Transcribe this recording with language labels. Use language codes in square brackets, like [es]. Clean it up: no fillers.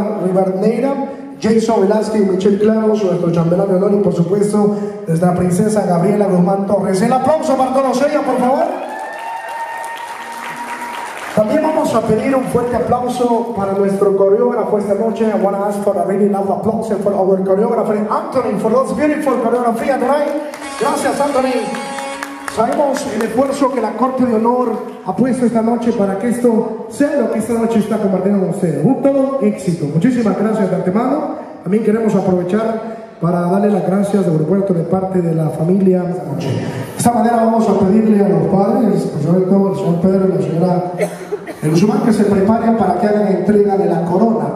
[es] Velázquez y Michelle Claros, nuestro chambelán de honor, y por supuesto nuestra princesa Gabriela Guzmán Torres. El aplauso para todos ellos, por favor. También vamos a pedir un fuerte aplauso para nuestro coreógrafo esta noche. [en] I want to ask for a really loud applause for our choreographer Anthony for those beautiful choreography tonight. [es] Gracias, Anthony. Sabemos el esfuerzo que la Corte de Honor ha puesto esta noche para que esto sea lo que esta noche está compartiendo con ustedes. Un todo éxito. Muchísimas gracias de antemano. También queremos aprovechar para darle las gracias de aeropuerto de parte de la familia. De esta manera vamos a pedirle a los padres, sobre todo el señor Pedro y la señora Guzmán, que se preparen para que hagan entrega de la corona.